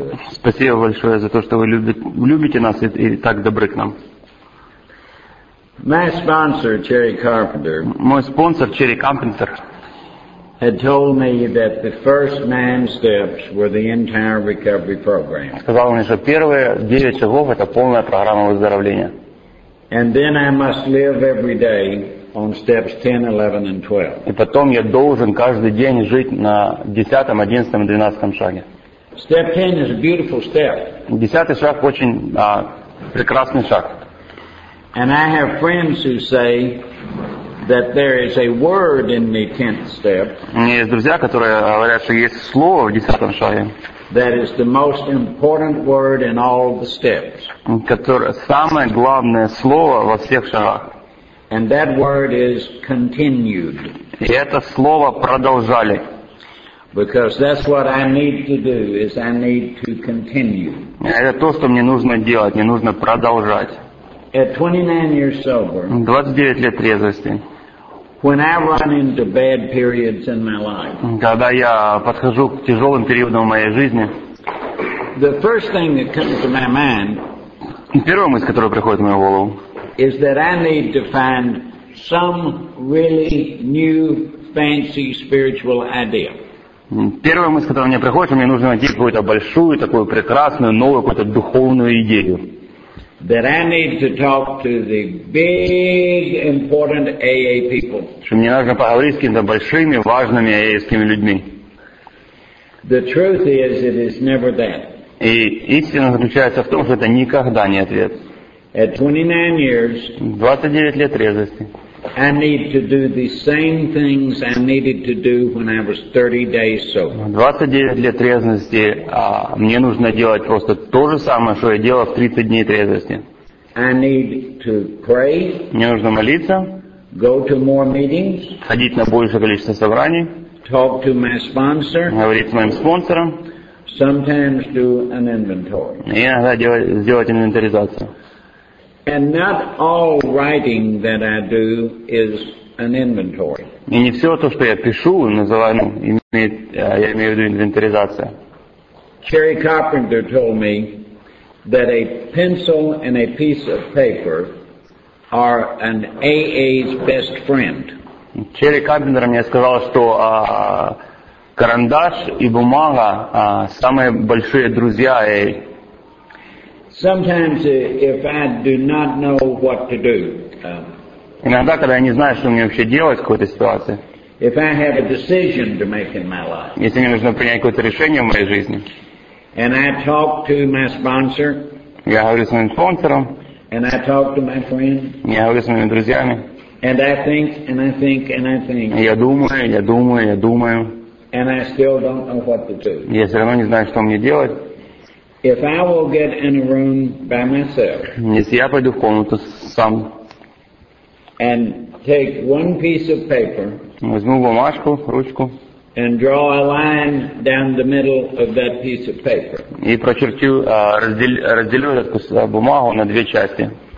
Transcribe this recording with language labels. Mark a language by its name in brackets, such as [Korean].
[Russian] Спасибо большое за то, что вы любите нас и так добры к нам. Мой спонсор Черри Карпентер [English] had told me that the first 9 steps were the entire recovery program. [Russian] Сказал мне, что первые 9 шагов это полная программа выздоровления. [English] And then I must live every day on steps 10, 11 and 12. [Russian] И потом я должен каждый день жить на 10, 11 и 12 шаге. [English] Step 10 is a beautiful step. [Russian] 10 шаг очень прекрасный шаг. [English] And I have friends who say that there is a word in the 10th step. [Russian] Есть друзья, которые говорят, что есть слово в 10-м шаге. [English] That is the most important word in all the steps. [Russian] Которое самое главное слово во всех шагах. [English] And that word is continued. [Russian] И это слово продолжали. [English] Because that's what I need to do is I need to continue. [Russian] Это то, что мне нужно делать, мне нужно продолжать. [English] At 29 years sober. [Russian] 29 лет трезвости. [English] When I run into bad periods in my life. [Russian] Когда я подхожу к тяжелым периодам в моей жизни. [English] The first thing that comes to my mind. [Russian] Первая мысль, которая приходит в мою голову. [English] Is that I need to find some really new fancy spiritual idea. [Russian] Первая мысль, которая мне приходит, что мне нужно найти какую-то большую, такую прекрасную, новую какую-то духовную идею. [English] That I need to talk to the big, important AA people. [Russian] Что мне нужно поговорить с какими-то большими, важными AA-скими людьми. [English] The truth is, it is never that. [Russian] И истина заключается в том, что это никогда не ответ. [English] At 29 years, [Russian] 29 лет трезвости. [English] I need to do the same things I needed to do when I was 30 days sober. [Russian] 29 лет трезвости, мне нужно делать просто то же самое, что я делал в 30 дней трезвости. [English] I need to pray. [Russian] Мне нужно молиться. [English] Go to more meetings. [Russian] Ходить на большее количество собраний. [English] Talk to my sponsor. [Russian] Говорить с моим спонсором. [English] Sometimes do an inventory. [Russian] И иногда сделать инвентаризацию. [English] And not all writing that I do is an inventory. [Russian] И не все то, что я пишу, называю, ну, имеет, я имею в виду инвентаризация. [English] Cherry Carpenter told me that a pencil and a piece of paper are an AA's best friend. [Russian] Cherry Carpenter мне сказал, что карандаш и бумага самые большие друзья AA. [English] Sometimes if I do not know what to do. [Russian] Иногда, когда я не знаю, что мне вообще делать в какой-то ситуации. [English] If I have a decision to make in my life. [Russian] Если мне нужно принять какое-то решение в моей жизни. [English] And I talk to my sponsor. [Russian] Я говорю с моим спонсором. [English] And I talk to my friend. [Russian] Я говорю с моими друзьями. [English] And I think, and I think, and I think. [Russian] Я думаю, я думаю, я думаю. [English] And I still don't know what to do. [Russian] Я все равно не знаю, что мне делать. [English] If I will get in a room by myself. [Russian] Если я пойду в комнату сам. [English] And take one piece of paper. [Russian] Возьму бумажку, ручку. [English] And draw a line down the middle of that piece of paper. [Russian] И прочерчу, разделю эту бумагу на две части.